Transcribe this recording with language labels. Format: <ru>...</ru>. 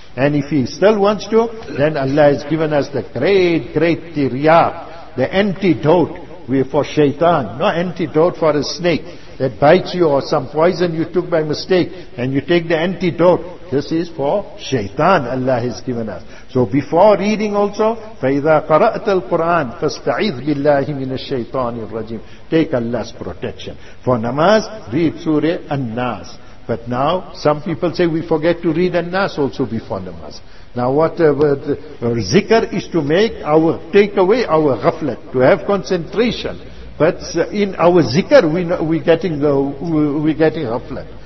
<en>And if he still wants to, then Allah has given us the great, great tiryak, the antidote for shaitan. No antidote for a snake that bites you, or some poison you took by mistake, and you take the antidote. This is for shaitan Allah has given us. So before reading also,</en> <ar>فَإِذَا قَرَأْتَ الْقُرْآنِ فَاسْتَعِذْ بِاللَّهِ مِنَ الشَّيْطَانِ الرَّجِيمِ.</ar> <en>Take Allah's protection. For namaz, read Surah An-Nas. But now, some people say we forget to read An-Nas also before namaz. Now zikr is to make our, take away our ghaflat, to have concentration. But in our zikr, we're getting ghaflat.</en>